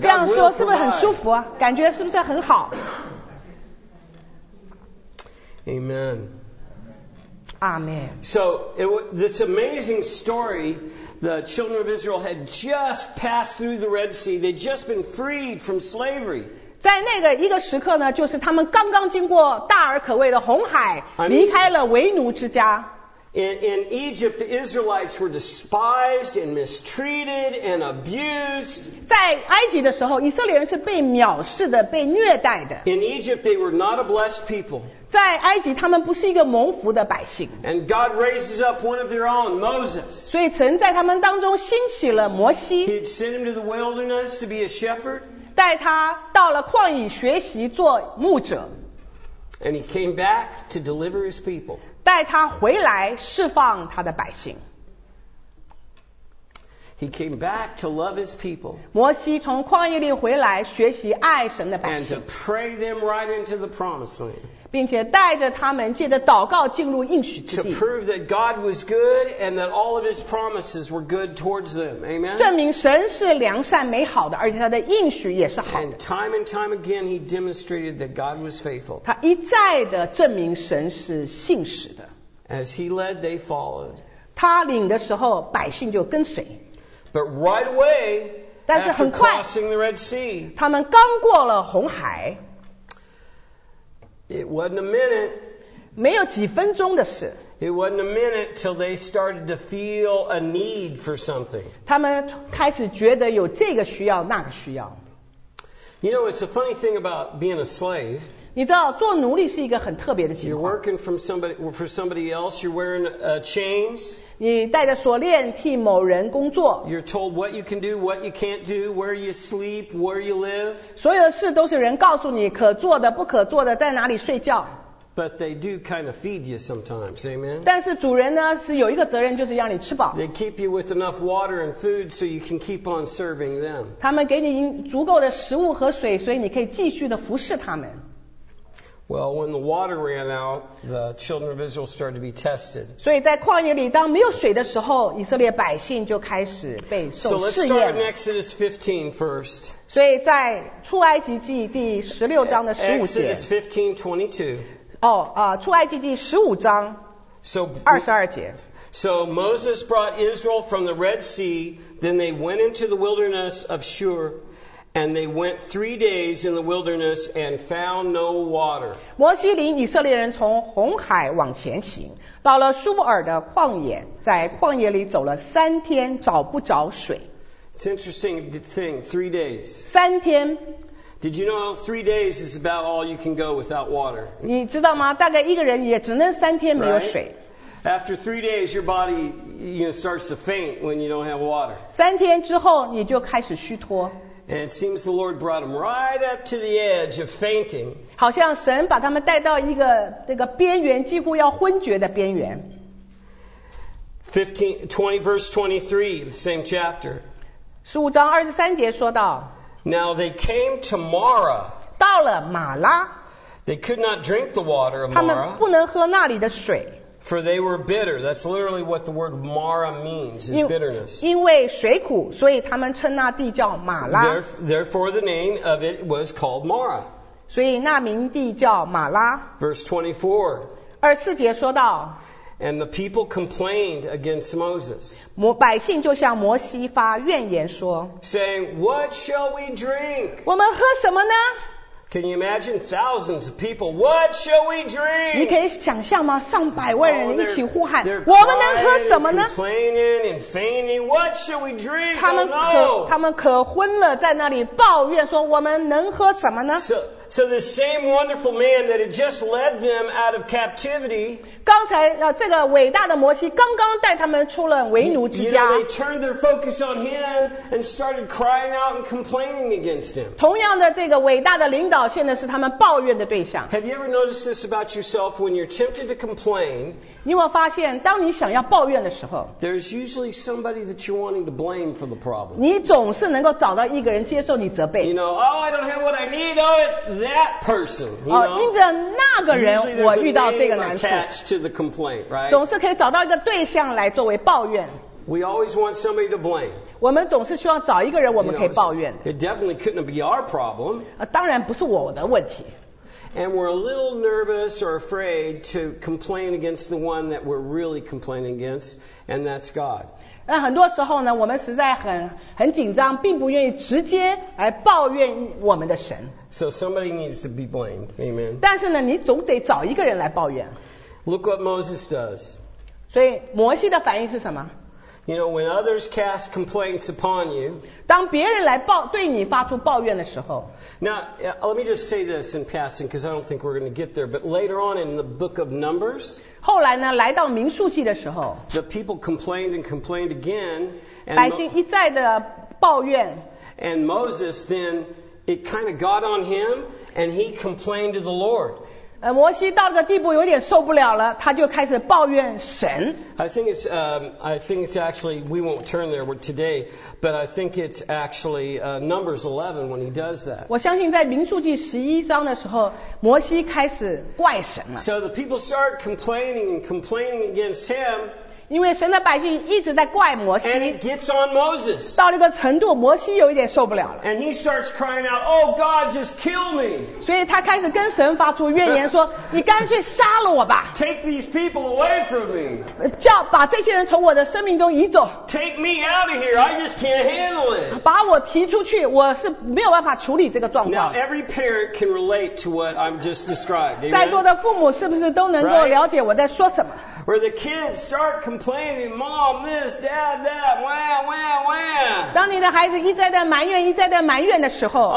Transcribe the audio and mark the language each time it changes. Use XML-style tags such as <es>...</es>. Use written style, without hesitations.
<zh>这样说是不是很舒服？感觉是不是很好？</zh> <en>Amen. Amen. So, this amazing story, the children of Israel had just passed through the Red Sea. They'd just been freed from slavery.</en> <zh>在那个一个时刻呢，就是他们刚刚经过大而可畏的红海，离开了为奴之家。</zh> <en>In Egypt, the Israelites were despised and mistreated and abused.</en> <zh>在埃及的时候，以色列人是被藐视的，被虐待的。</zh> <en>In Egypt, they were not a blessed people.</en> <zh>在埃及，他们不是一个蒙福的百姓。</zh> <en>And God raises up one of their own, Moses.</en> <zh>所以神在他们当中兴起了摩西。</zh> <en>He'd send him to the wilderness to be a shepherd.</en> <zh>带他到了旷野学习做牧者。</zh> <en>And he came back to deliver his people.</en> <zh>带他回来释放他的百姓。</zh> <en>He came back to love his people.</en> <zh>摩西从旷野里回来学习爱神的百姓。</zh> <en>And to pray them right into the promised land.</en> <zh>并且带着他们借着祷告进入应许之地。</zh> <en>To prove that God was good and that all of his promises were good towards them. Amen.</en> <zh>证明神是良善美好的，而且他的应许也是好的。</zh> <en>And time and time again he demonstrated that God was faithful.</en> <zh>他一再的证明神是信实的。</zh> <en>As he led, they followed.</en> <zh>他领的时候百姓就跟随。</zh> <en>But right away, after crossing the Red Sea,</en> <zh>他们刚过了红海。</zh> <en>It wasn't a minute.</en> <zh>没有几分钟的事。</zh> <en>It wasn't a minute till they started to feel a need for something.</en> <zh>他们开始觉得有这个需要，那个需要。</zh> <en>You know, it's a funny thing about being a slave.</en> <zh>你知道做奴隶是一个很特别的情况。</zh> <en>You're working for somebody else. You're wearing chains.</en> <zh>你带着锁链替某人工作。</zh> <en>You're told what you can do, what you can't do, where you sleep, where you live.</en> <zh>所有的事都是人告诉你可做的、不可做的，在哪里睡觉。</zh> <en>But they do kind of feed you sometimes, amen?</en> <zh>但是主人呢是有一个责任，就是让你吃饱。</zh> <en>They keep you with enough water and food so you can keep on serving them.</en> <zh>他们给你足够的食物和水，所以你可以继续的服侍他们。</zh> <en>Well, when the water ran out, the children of Israel started to be tested.</en> <zh>所以在旷野里，当没有水的时候，以色列百姓就开始被受试验。</zh> <en>So let's start in Exodus 15 first.</en> <zh>所以在出埃及记第十六章的十五节。</zh> <en>Exodus 15:22.</en> <zh>出埃及记十五章。</zh> <en>So</en> <zh>二十二节。</zh> <en>So Moses brought Israel from the Red Sea, then they went into the wilderness of Shur. And they went 3 days in the wilderness and found no water.</en> <zh>摩西领以色列人从红海往前行，到了苏尔的旷野，在旷野里走了三天，找不着水。</zh> <en>It's an interesting thing, 3 days.</en> <zh>三天。</zh> <en>Did you know 3 days is about all you can go without water?</en> <zh>你知道吗？大概一个人也只能三天没有水。</zh> <en>Right? After 3 days, your body you know, starts to faint when you don't have water.</en> <zh>三天之后，你就开始虚脱。</zh> <en>And it seems the Lord brought them right up to the edge of fainting.</en> <zh>好像神把他们带到一个这个边缘，几乎要昏厥的边缘。</zh> <en>20:23, the same chapter.</en> <zh>十五章二十三节说到。</zh> <en>Now they came to Marah.</en> <zh>到了马拉。</zh> <en>They could not drink the water of Marah.</en> <zh>他们不能喝那里的水。</zh> <en>For they were bitter. That's literally what the word Mara means, is bitterness.</en> <zh>因为水苦，所以他们称那地叫马拉。</zh> <en>Therefore, the name of it was called Mara.</en> <zh>所以那名地叫马拉。</zh> <en>Verse 24.</en> <zh>二十四节说到。</zh> <en>And the people complained against Moses.</en> <zh>百姓就向摩西发怨言说。</zh> <en>Saying, "What shall we drink?"</en> <zh>我们喝什么呢？</zh> <en>Can you imagine thousands of people? What shall we drink?</en> <zh>你可以想象吗？上百万人一起呼喊， oh, 我们能喝什么呢？</zh> <en>Complaining and fainting. What shall we drink?</en> <zh>他们可昏了，在那里抱怨说，我们能喝什么呢？</zh> <en>So the same wonderful man that had just led them out of captivity.</en> <zh>刚才这个伟大的摩西刚刚带他们出了为奴之家。</zh> <en>You know, they turned their focus on him and started crying out and complaining against him.</en> <zh>同样的，这个伟大的领导现在是他们抱怨的对象。</zh> <en>Have you ever noticed this about yourself when you're tempted to complain?</en> <zh>你有没有发现，当你想要抱怨的时候</zh> <en>，There's usually somebody that you're wanting to blame for the problem.</en> <zh>你总是能够找到一个人接受你责备。</zh> <en>You know, oh, I don't have what I need. Oh, it. That person, you know.</en> <zh>因着那个人，我遇到这个难处。</zh> <en>Attached to the complaint, right?</en> <zh>总是可以找到一个对象来作为抱怨。</zh> <en>We always want somebody to blame.</en> <zh>我们总是希望找一个人我们可以抱怨的。</zh> <en>It definitely couldn't be our problem.</en> <zh>当然不是我的问题。</zh> <en>And we're a little nervous or afraid to complain against the one that we're really complaining against, and that's God.</en> <zh>那很多时候呢，我们实在很紧张，并不愿意直接来抱怨我们的神。</zh> <en>So somebody needs to be blamed, amen.</en> <zh>但是呢，你总得找一个人来抱怨。</zh> <en>Look what Moses does.</en> <zh>所以摩西的反应是什么？</zh> <en>You know, when others cast complaints upon you,</en> <zh>当别人来报对你发出抱怨的时候</zh> <en>Now, let me just say this in passing, because I don't think we're going to get there, but later on in the book of Numbers,</en> <zh>后来呢来到民数记的时候</zh> <en>the people complained and complained again,</en> <zh>and 百姓一再的抱怨</zh> <en>and Moses then, it kind of got on him, and he complained to the Lord.</en> <zh>摩西到这个地步有点受不了了，他就开始抱怨神。</zh> <en>I think it's actually we won't turn there today, but I think it's actually Numbers 11 when he does that.</en> <zh>我相信在民数记十一章的时候，摩西开始怪神了。</zh> <en>So the people start complaining and complaining against him.</en> <zh>因为神的百姓一直在怪摩西。</zh> <en>And it gets on Moses.</en> <zh>到了一个程度，摩西有一点受不了了。</zh> <en>And he starts crying out, "Oh God, just kill me!"</en> <zh>所以他开始跟神发出怨言。说你干脆杀了我吧</zh> <en>Take these people away from me.</en> <zh>叫把这些人从我的生命中移走</zh> <en>Take me out of here. I just can't handle it.</en> <zh>把我提出去我是没有办法处理这个状况</zh> <en>Now every parent can relate to what I'm just described.</en> <zh>在座的父母是不是都能够了解我在说什么</zh> <en>right? Where the kids start complaining, Mom this, Dad that, wah, wah, wah.</en> <zh>当你的孩子一再的埋怨一再的埋怨的时候</zh>